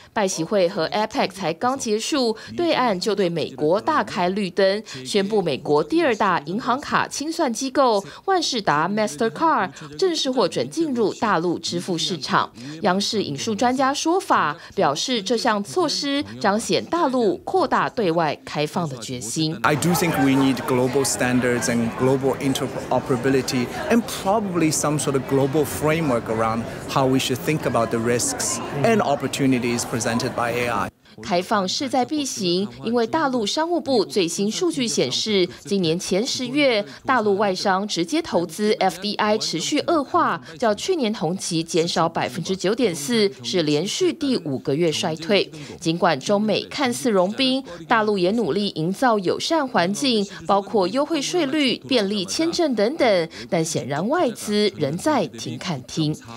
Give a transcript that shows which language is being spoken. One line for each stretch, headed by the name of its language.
Chinese: 拜习会和 APEC 才刚结束，对岸就对美国大开绿灯，宣布美国第二大银行卡清算机构万事达 MasterCard 正式获准进入大陆支付市场。央视引述专家说法，表示这项措施彰显大陆扩大对外开放的决心。
English: I do think we need global standards and global interoperability and probably some sort of global framework around how we should think about the risks and opportunities presented by AI.
Chinese: 开放势在必行，因为大陆商务部最新数据显示，今年前十月大陆外商直接投资 FDI 持续恶化，较去年同期减少9.4%，是连续第五个月衰退。尽管中美看似融冰，大陆也努力营造友善环境，包括优惠税率、便利签证等等，但显然外资仍在停看听。